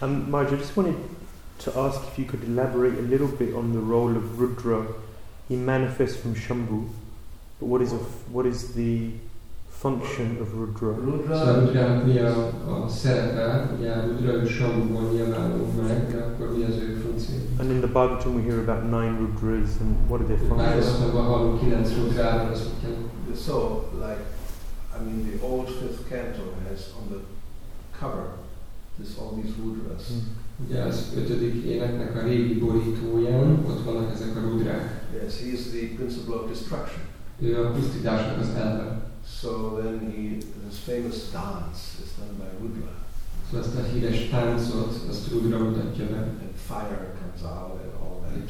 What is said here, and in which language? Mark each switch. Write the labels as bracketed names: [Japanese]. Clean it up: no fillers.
[English] Maharaj, I just wanted to ask if you could elaborate a little bit on the role of Rudra. He manifests from Shambhu, but what is the function of Rudra. Rudra. [Hungarian] So Rudra-nak mi a szerepe, ugye Rudra és Samuban nyilvánul meg, akkor mi az ő funkció? [English] And in the Bhagavatam we hear about 9 Rudras and what are their functions? [Hungarian] Bhagavatamban hallunk 9 Rudrát. [English] So, like, I mean, the old 5th canto has on the cover this all these Rudras. [Hungarian] Ugye az 5. éneknek a régi borítóján ott vannak ezek a Rudrák. [English] Yes, he is the principle of destruction. [Hungarian] Ő a pusztításnak az elve. [English] So then his famous dance is done by Rudra. [Hungarian] So ezt a híres táncot, azt Rudra mutatja be. [English] And fire comes out and all that.